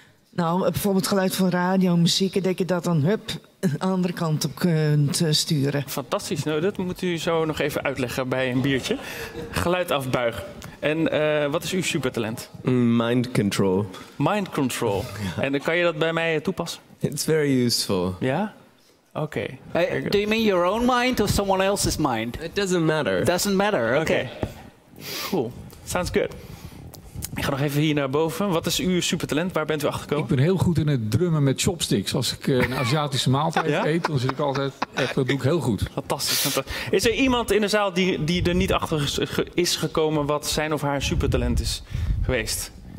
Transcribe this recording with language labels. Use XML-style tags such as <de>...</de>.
<nl>Nou, bijvoorbeeld geluid van radio, muziek. En dat je dat dan, hup, een andere kant op kunt sturen. Fantastisch. Nou, dat moet u zo nog even uitleggen bij een biertje. Geluid afbuigen. En wat is uw supertalent?</nl> <en>Mind control. Mind control. Ja.</en> <nl>En kan je dat bij mij toepassen?</nl> <en>It's very useful.</en> <nl>Ja? Oké.</nl> <en>Okay. Do you mean your own mind or someone else's mind? It doesn't matter. It doesn't matter, oké. Okay. Cool. Sounds good.</en> <nl>Ik ga nog even hier naar boven. Wat is uw supertalent? Waar bent u achter gekomen? Ik ben heel goed in het drummen met chopsticks. Als ik een Aziatische maaltijd eet, dan zit ik altijd. Dat doe ik heel goed. Fantastisch. Is er iemand in de zaal die er niet achter is gekomen wat zijn of haar supertalent is geweest?</nl>